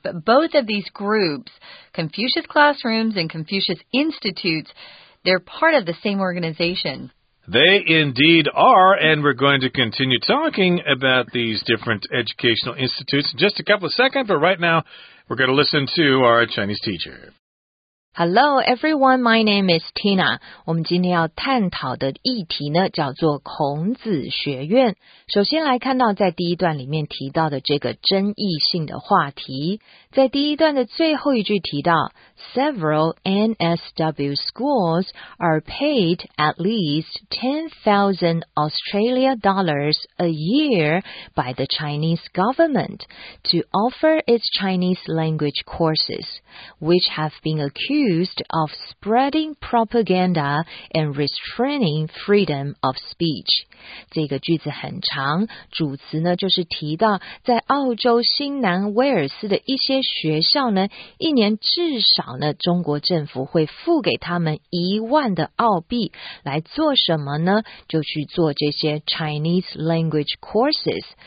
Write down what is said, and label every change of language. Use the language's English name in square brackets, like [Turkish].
[English] But both of these groups, Confucius classrooms and Confucius Institutes, they're part of the same organization. They indeed are, and we're going to continue talking about these different educational institutes in just a couple of seconds, but right now, we're going to listen to our Chinese teacher. Hello, everyone. My name is Tina. [Chinese] 我们今天要探讨的议题呢，叫做孔子学院。首先来看到在第一段里面提到的这个争议性的话题，在第一段的最后一句提到 [English] ，Several NSW schools are paid at least $10,000 a year by the Chinese government to offer its Chinese language courses, which have been accused of spreading propaganda and restraining freedom of speech. [Chinese] 这个句子很长，主词呢就是提到在澳洲新南威尔斯的一些学校呢，一年至少呢，中国政府会付给他们10,000的澳币来做什么呢？就去做这些 [English] Chinese language courses。